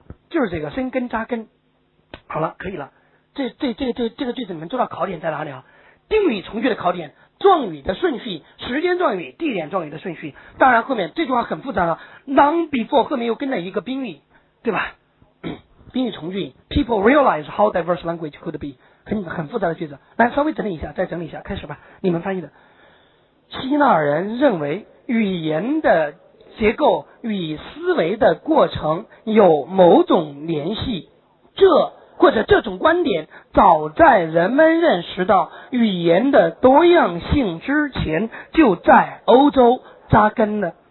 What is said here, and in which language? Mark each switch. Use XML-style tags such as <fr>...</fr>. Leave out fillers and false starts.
<zh>就是这个生根扎根。好了，可以了。这个句子你们知道考点在哪里啊？定语从句的考点，状语的顺序，时间状语，地点状语的顺序。当然后面这句话很复杂了，</zh> <en>long before</en> <zh>后面又跟了一个宾语，对吧？宾语从句</zh> <en>people realize how diverse language could be,</en> <zh>很复杂的句子。来稍微整理一下，再整理一下，开始吧，你们翻译的。希腊人认为语言的结构与思维的过程有某种联系，这或者这种观点早在人们认识到语言的多样性之前就在欧洲扎根了。</zh>